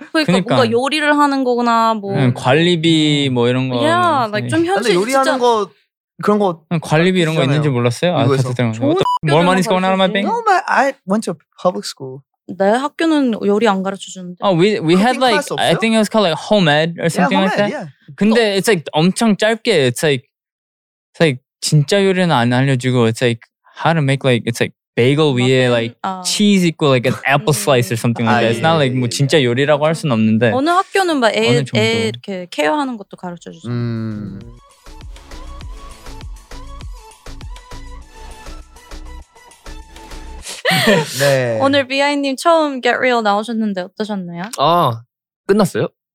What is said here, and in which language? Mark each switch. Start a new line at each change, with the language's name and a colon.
Korean: 그러니까 뭔가 요리를 하는 거구나 뭐 관리비 뭐 이런 거.
English: Yeah, like
Korean: 좀 현실 근데 요리하는 거 그런 거 관리비 이런 거 있는지 몰랐어요. 아, 같은 때문에.
English: More money's going out of my bank. No, but I went to public school.
Korean: 내 학교는 요리 안 가르쳐 주는데.
English: Oh, we had like I think it was called like home ed or something yeah, like that. Ed, yeah.
Korean: 근데
English: it's like
Korean: 엄청 짧게
English: it's like
Korean: 진짜 요리는 안 알려주고
English: it's like how to make like it's like bagel
Korean: 위에
English: like cheese
Korean: 있고
English: like an apple slice or something like that.
Korean: It's not like 뭐 진짜 요리라고 할 수는 없는데. 어느 학교는 막 애 이렇게 케어하는 것도 가르쳐 주죠. 네. 오늘 비아이님 처음 Get Real 나오셨는데 어떠셨나요? 아 끝났어요?